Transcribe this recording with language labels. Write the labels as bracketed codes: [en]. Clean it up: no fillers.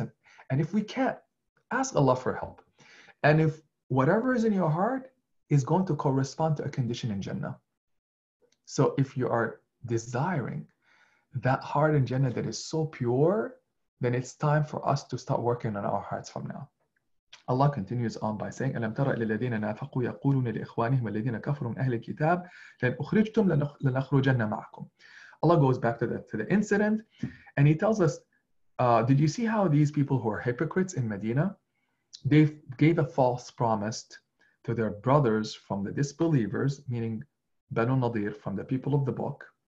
[en] And if we can't, ask Allah for help. And if whatever is in your heart is going to correspond to a condition in Jannah. So if you are desiring that heart in Jannah that is so pure, then it's time for us to start working on our hearts from now. [ar] Allah continues on by saying, أَلَمْ تَرَ الَّذِينَ نَافَقُوا يَقُولُونَ لِإِخْوَانِهِمَ الَّذِينَ كَفْرُوا مِنْ أَهْلِ الْكِتَابِ لَنْ أُخْرِجْتُمْ لَنَخْرُجَنَّ مَعَكُمْ. [en] Allah goes back to the incident, and he tells us, did you see how these people who are hypocrites in Medina, they gave a false promise to their brothers from the disbelievers, meaning Banu Nadir, from the people of the book.